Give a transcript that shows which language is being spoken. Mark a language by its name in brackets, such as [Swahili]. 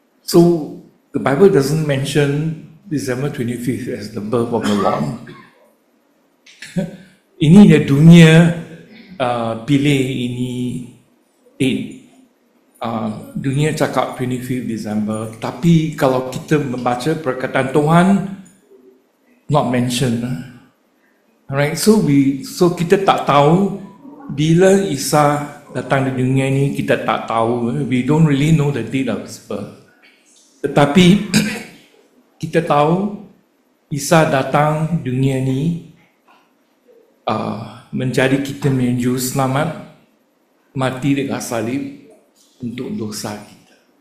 [English] So the Bible doesn't mention December 25th as the birth of the Lord. [Malay] Ini dia dunia pilih ini date. Dunia cakap 25th December, tapi kalau kita membaca perkataan Tuhan, [English] not mention. [Malay] Alright, so kita tak tahu bila Isa datang di dunia ini, kita tak tahu. [English] We don't really know the date of his birth. [Malay] Tetapi kita tahu Isa datang dunia ini menjadi kita menuju selamat, mati dekat salib untuk dosa kita.